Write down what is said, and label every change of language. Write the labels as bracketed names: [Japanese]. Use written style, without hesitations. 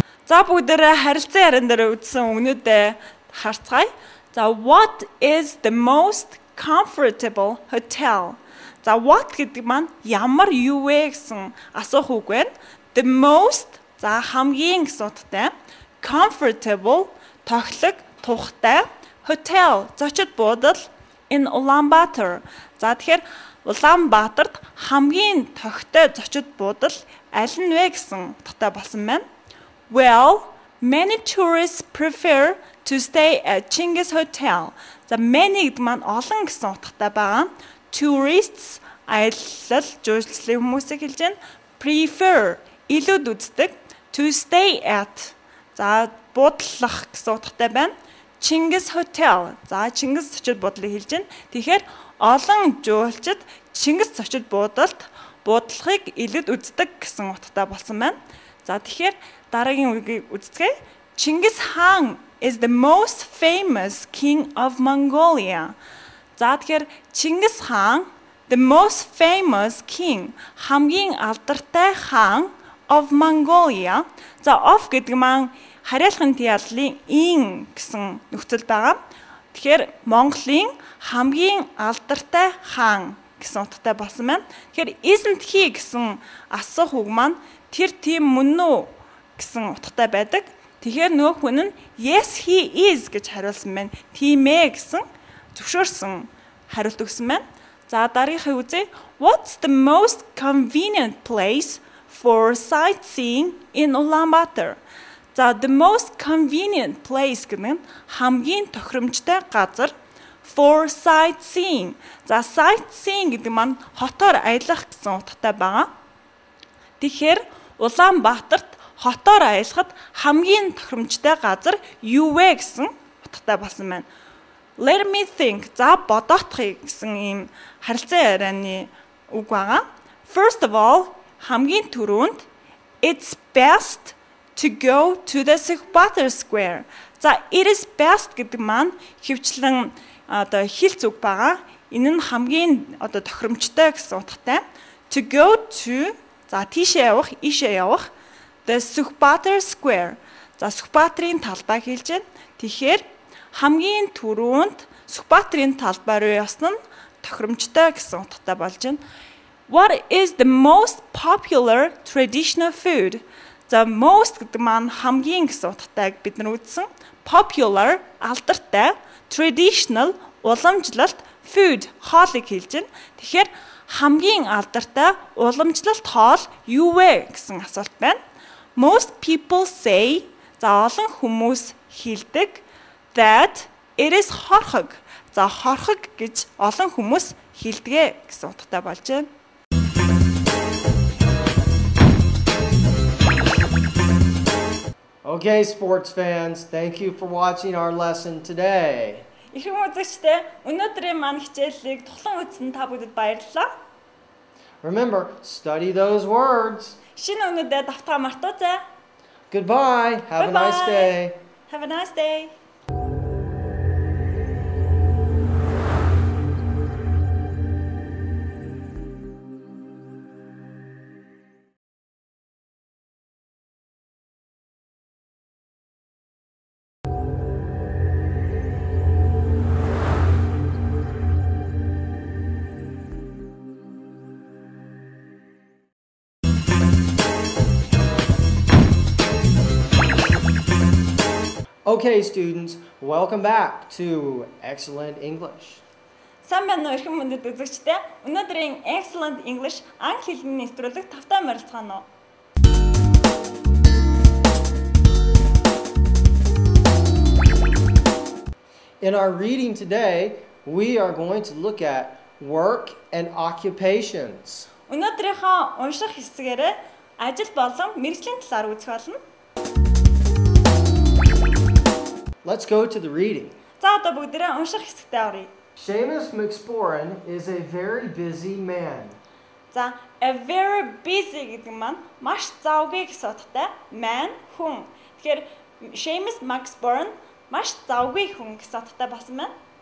[Mongolian] За бүгдээрээ харилцан яриан дээр үзсэн үгнүүдэд харцгаая. [English] За what is the most comfortable hotel? [Mongolian] За what гэдэг маань ямар юу вэ гэсэн асуух үг байна. [English] The most [Mongolian] за хамгийн гэсэн утгатай. [English] Comfortable [Mongolian] тохлог тухтай. [English] Hotel [Mongolian] зочид буудал in Ulaanbaatar. За тэгэхээр Улаанбаатарт хамгийн тохтой зочид буудал аль нь вэ гэсэн утгатай болсон байна. [English] Well, many tourists prefer to stay at Chinggis Hotel. [Mongolian] За many гэдэг маань олон гэсэн утгатай байгаа. [English] Tourists [Mongolian] аялал жуулчлалын хүмүүсийг хэлж байна. [English] Prefer [Mongolian] илүүд үздэг [English] to stay at. [Mongolian] За буудлах гэсэн утгатай байна. [English] Chinggis Hotel. [Mongolian] За Чингис зочид буудлыг хэлж байна. Тэгэхээр олон жуулчид Чингис зочид буудалд буудлахыг илүүд үздэг гэсэн утгатай болсон байна. За тэгэхээр дараагийн үгийг үздэгэ. [English] Чингис хаан is the most famous king of Mongolia. [Mongolian] За тэгэхээр Чингис хаан [English] the most famous king [Mongolian] хамгийн алдартай хаан [English] of Mongolia. [Mongolian] За of гэдэг маань хариалхын тийллийн in гэсэн нөхцөл байгаа. Тэгэхээр Монголын хамгийн алдартай хаан гэсэн утгатай болсон байна. Тэгэхээр [English] isn't he [Mongolian] гэсэн асуух үг маань тэр тийм мөн үү гэсэн утгатай байдаг. Тэгэхээр нөх хүн нь [English] yes he is [Mongolian] гэж хариулсан байна. Тийм ээ гэсэн зөвшөөрсөн хариулт өгсөн байна. За дараагийнхыг үзье. [English] What's the most convenient place for sightseeing in Ulaanbaatar? [Mongolian] За [English] the most convenient place [Mongolian] гэдэг нь хамгийн тохиромжтой газар [English] for sightseeing. [Mongolian] За sightseeing гэдэг нь хотоор аялах гэсэн утгатай байна. Тэгэхээр Улаанбаатарт хотоор аялахад хамгийн тохиромжтой газар юу вэ гэсэн утгатай болсон байна. [English] Let me think. [Mongolian] За бодоотхыг гэсэн ийм харилцан ярианы үг байгаа. [English] First of all, [Mongolian] хамгийн түрүүнд [English] it's best to go to the Ulaanbaatar Square. [Mongolian] За [English] it is best [Mongolian] гэдэг маань хэвчлэн одоо хэл зүг байгаа. Энэ нь хамгийн одоо тохиромжтой гэсэн утгатай. [English] To go to [Mongolian] За тийшээ явах, ийшээ явах. [English] The Ulaanbaatar Square. [Mongolian] За Ulaanbaatarын талбай хэлж байна. Тэгэхээр хамгийн түрүүнд Ulaanbaatarын талбай руу явсан нь тохиромжтой гэсэн утгатай болж байна. [English] What is the most popular traditional food? [Mongolian] За most гэдэг маань хамгийн гэсэн утгатайг бид нар үздэн. [English] Popular [Mongolian] алдартай, [English] traditional [Mongolian] уламжлалт [English] food [Mongolian] хоолыг хэлж байна. Тэгэхээр хамгийн алдартай уламжлалт хоол юу вэ гэсэн асуулт байна. [English] Most people say [Mongolian] за олон хүмүүс хэлдэг that [English] it is хорхог. [Mongolian] За хорхог гэж олон хүмүүс хэлдэгэ гэсэн утгатай болж байна. [English] Okay, sports fans, thank you for watching our lesson today. [Mongolian] Ирэх үзэгчдээ өнөөдрийн манай хичээлийг тухлан үзсэн та бүдэд баярлалаа. [English] Remember, study those words. [Mongolian] Шинэ үгнүүдэд давтгаа мартуузай. [English] Goodbye. Have Bye-bye. A nice day. Have a nice day. Okay, students, welcome back to Excellent English. [Mongolian] Сайн уу эрхэм мөндөд үзэгчдээ. Өнөөдрийн Excellent English анх хэлний нэвтрүүлэг тавтай морилцгаано. [English] In our reading today, we are going to look at work and occupations. [Mongolian] Өнөөдрийнхөө унших хэсгээрээ ажил болон мэрэгжлийн талаар үзэх болно. [English] Let's go to the reading. [Mongolian] За одоо бүгдээрээ унших хэсгтээ оръё. [English] Seamus McSporran is a very busy man. [Mongolian] За [English] a very busy [Mongolian] гэдэг маань маш завгүй гэсэн утгатай [English] man [Mongolian] хүн. Тэгэхээр Seamus McSporran маш завгүй хүн гэсэн утгатай басан байна.